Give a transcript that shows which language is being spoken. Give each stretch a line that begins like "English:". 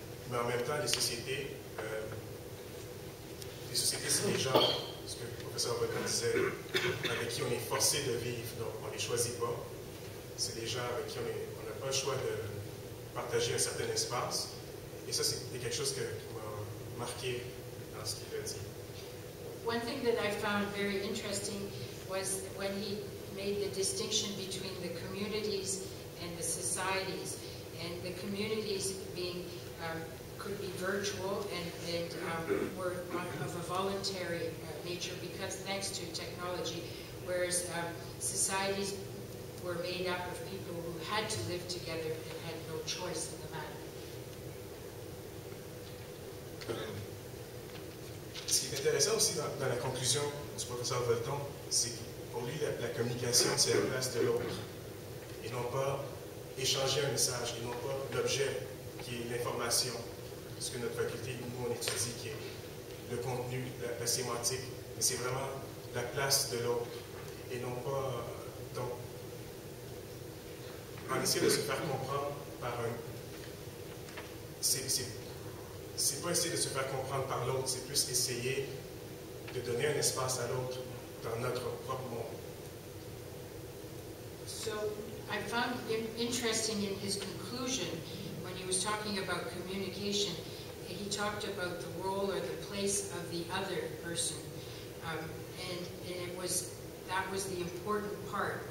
French: Mais en même temps, les sociétés, c'est les gens, ce que le professeur Wolton disait, avec qui on est forcé de vivre. Donc, on ne les choisit pas. C'est des gens avec qui on n'a pas le choix de partager un certain espace. Et ça, c'est quelque chose qui m'a marqué dans ce qu'il a dit.
English: One thing that I found very interesting was when he made the distinction between the communities and the societies, and the communities being could be virtual and were of a voluntary nature because thanks to technology, whereas societies were made up of people who had to live together and had no choice in the matter.
French: Ce qui est intéressant aussi dans la conclusion du professeur Wolton, c'est que pour lui, la communication, c'est la place de l'autre. Et non pas échanger un message, et non pas l'objet qui est l'information, ce que notre faculté, nous, on étudie, qui est le contenu, la sémantique, mais c'est vraiment la place de l'autre, et non pas, donc, en essayer de se faire comprendre par un, c'est pas essayer de se faire comprendre par l'autre, c'est plus essayer de donner un espace à l'autre dans notre propre monde.
English: So I found it interesting in his conclusion when he was talking about communication, and he talked about the role or the place of the other person, and it was that was the important part.